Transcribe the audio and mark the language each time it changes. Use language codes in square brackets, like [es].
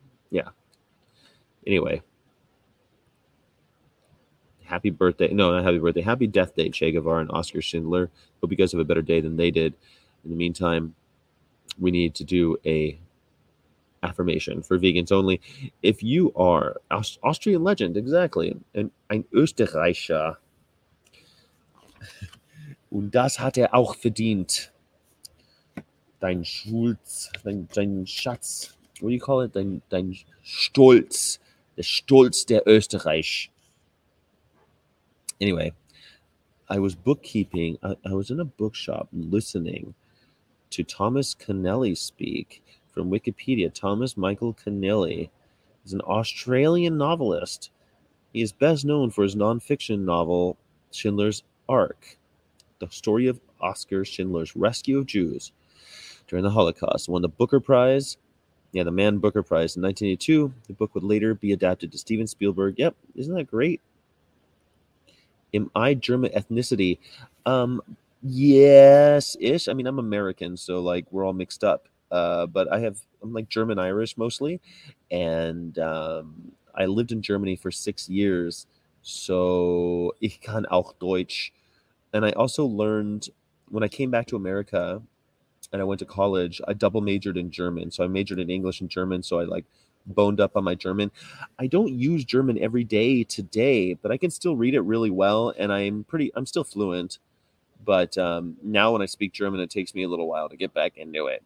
[en] Yeah. Anyway. Happy birthday. No, not happy birthday. Happy death day, Che Guevara and Oscar Schindler. Hope you guys have a better day than they did. In the meantime, we need to do a affirmation for vegans only. If you are Austrian legend, exactly, and [de] ein Österreicher, und das hat auch verdient, dein Schulz, dein Schatz, [en] what do you call it? [de] Dein Stolz, der Stolz der Österreich. [en] Anyway, I was bookkeeping. I was in a bookshop listening to Thomas Connelly speak from Wikipedia. Thomas Michael Connelly is an Australian novelist. He is best known for his nonfiction novel, Schindler's Ark, the story of Oscar Schindler's rescue of Jews during the Holocaust. Won the Booker Prize. Yeah, the Man Booker Prize in 1982. The book would later be adapted to Steven Spielberg. Yep, isn't that great? Am I German ethnicity? Yes-ish. I mean, I'm American, so like we're all mixed up. But I'm like German-Irish mostly. And I lived in Germany for 6 years. [de] So ich kann auch Deutsch. [en] And I also learned when I came back to America and I went to college, I double majored in German. So I majored in English and German. So I like boned up on my German. I don't use German every day today, but I can still read it really well. And I'm still fluent. But now when I speak German, it takes me a little while to get back into it.